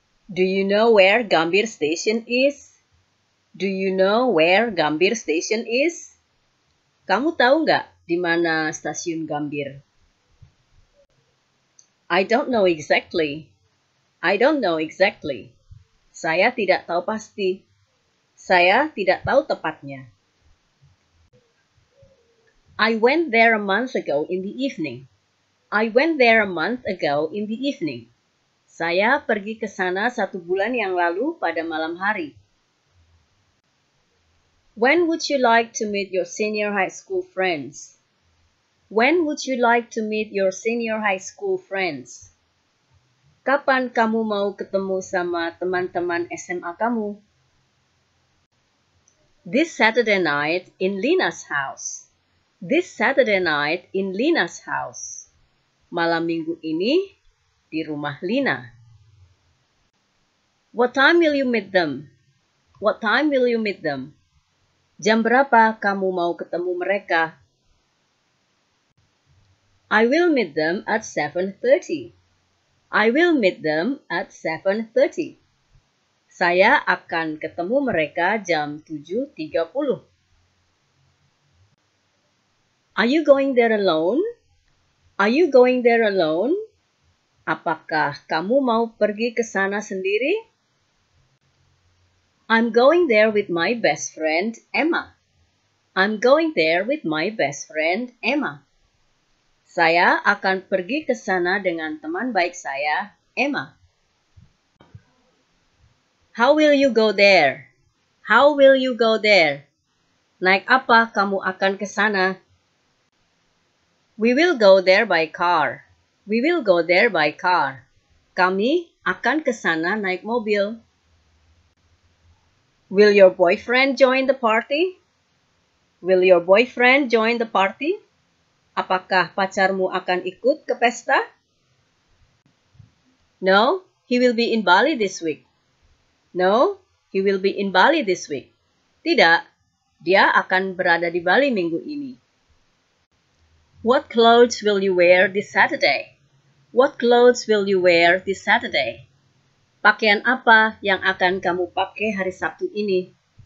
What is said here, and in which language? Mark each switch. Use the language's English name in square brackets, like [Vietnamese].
[English] Do you know where Gambir Station is? Do you know where Gambir Station is? [Indonesian] Kamu tahu nggak di mana stasiun Gambir? [English] I don't know exactly. I don't know exactly. [Indonesian] Saya tidak tahu pasti. Saya tidak tahu tepatnya. [English] I went there a month ago in the evening. I went there a month ago in the evening. [Indonesian] Saya pergi ke sana satu bulan yang lalu pada malam hari. [English] When would you like to meet your senior high school friends? When would you like to meet your senior high school friends? [Indonesian] Kapan kamu mau ketemu sama teman-teman SMA kamu? [English] This Saturday night in Lina's house. This Saturday night in Lina's house. [Indonesian] Malam minggu ini di rumah Lina. [English] What time will you meet them? What time will you meet them? [Indonesian] Jam berapa kamu mau ketemu mereka? [English] I will meet them at 7:30. I will meet them at 7:30. [Indonesian] Saya akan ketemu mereka jam 7:30. [English] Are you going there alone? Are you going there alone? [Indonesian] Apakah kamu mau pergi ke sana sendiri? [English] I'm going there with my best friend, Emma. I'm going there with my best friend, Emma. [Indonesian] Saya akan pergi ke sana dengan teman baik saya, Emma. [English] How will you go there? How will you go there? [Indonesian] Naik apa kamu akan ke sana? [English] We will go there by car. We will go there by car. [Indonesian] Kami akan ke sana naik mobil. [English] Will your boyfriend join the party? Will your boyfriend join the party? [Indonesian] Apakah pacarmu akan ikut ke pesta? [English] No, he will be in Bali this week. No, he will be in Bali this week. [Indonesian] Tidak, dia akan berada di Bali minggu ini. [English] What clothes will you wear this Saturday? What clothes will you wear this Saturday? [Indonesian] Pakaian apa yang akan kamu pakai hari Sabtu ini?